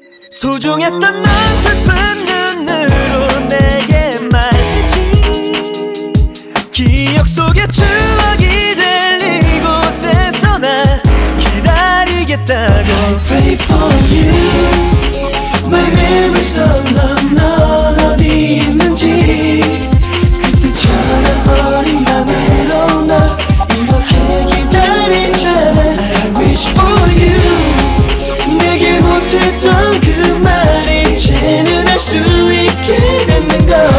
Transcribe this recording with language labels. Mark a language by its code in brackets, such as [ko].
[ko] 소중했던 난 슬픈 눈으로 내게 말했지. 기억 속에 추억이 될 이곳에서 날 기다리겠다고. [en] I pray for you, my memory song. [ko] 넌 어디 있는지 그때처럼 어린 밤으로 널 이렇게 기다리잖아. [en] I wish for you, [ko] 내게 못했던 그 이제는 알 수 있게 되는 걸.